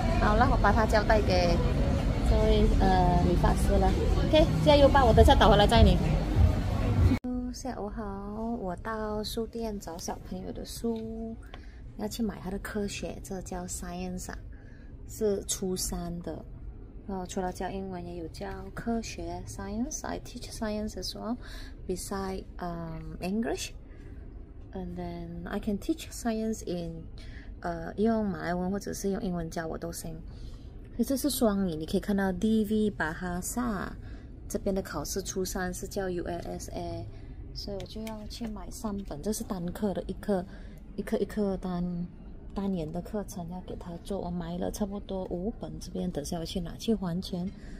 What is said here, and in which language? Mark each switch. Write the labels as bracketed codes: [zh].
[zh] 好了，我把他交代给这位理发师了。 OK， 加油吧，我等下倒回来载你。下午好，我到书店找小朋友的书，要去买他的科学，这叫 science 啊，是初三的。除了教英文也有教科学 [en] science， I teach science as well beside English and then I can teach science in [zh] 用马来文或者是用英文教我都行。这是双语，你可以看到 DV Bahasa 这边的考试初三是叫 ULSA， 所以我就要去买三本。这是单课的，一课单元的课程要给他做，我买了差不多五本，这边等下我去拿去还钱。